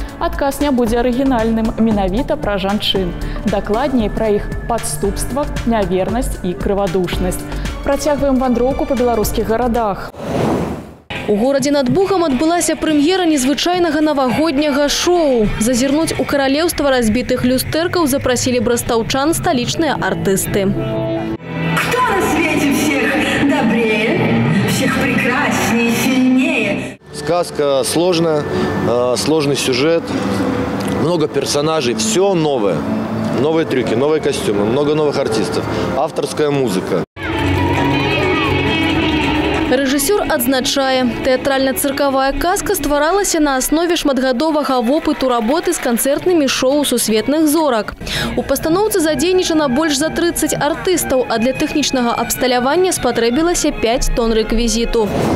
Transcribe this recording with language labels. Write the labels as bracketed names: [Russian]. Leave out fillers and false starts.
[Belarusian] Адказ не будзе арыгінальным, менавіта пра жанчын. Дакладней пра іх падступства, нявернасць і крывадушнасць. Працягваем вандроўку па беларускіх гарадах. У горадзе над Бугам адбылася прэм'ера незвычайнага навагодняга шоу. Зазірнуць у каралеўства разбітых люстэркаў запрасілі брастаўчан сталічныя артысты. [Russian] Хто на свеце всіх добрее, всіх прекрасней, сильнее? Сказка сложная, сложный сюжет, много персонажей, всё новое. Новые трюки, новые костюмы, много новых артистов, авторская музыка. [Belarusian] Рэжысёр адзначае, тэатральна-цыркавая казка стваралася на аснове шматгадовага вопыту работы з канцэртнымі шоу сусветных зорак. У пастаноўцы задзейнічана больш за 30 артыстаў, а для тэхнічнага абсталявання спатрэбілася 5 тон рэквізіту.